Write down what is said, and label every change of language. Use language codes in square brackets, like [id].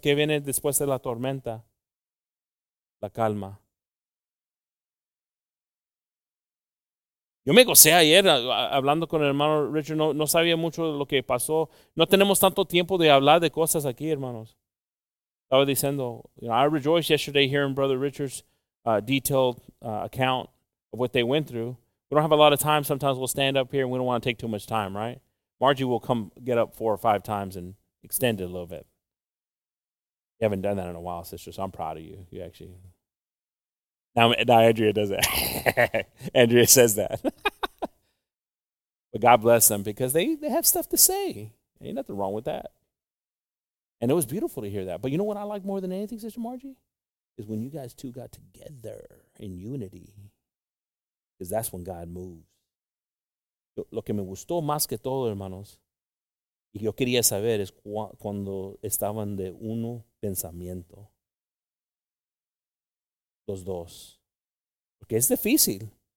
[es] ¿Qué viene después de la tormenta? La calma. Yo me gocé ayer hablando con el hermano Richard. No sabía mucho de lo que pasó. No tenemos tanto tiempo de hablar de cosas aquí, hermanos. Estaba diciendo, [en] you know, I rejoiced yesterday hearing Brother Richard's detailed account of what they went through. We don't have a lot of time. Sometimes we'll stand up here and we don't want to take too much time, right? Margie will come get up 4 or 5 times and extend it a little bit. You haven't done that in a while, sister, so I'm proud of you. You actually... Now Andrea does it. Andrea says that. But God bless them because they have stuff to say. Ain't nothing wrong with that. And it was beautiful to hear that. But you know what I like more than anything, Sister Margie? Is when you guys two got together in unity, because that's when God moves. [es] Lo que me gustó más que todo, hermanos, y yo quería saber es cuando estaban de uno pensamiento, los dos. Porque es difícil.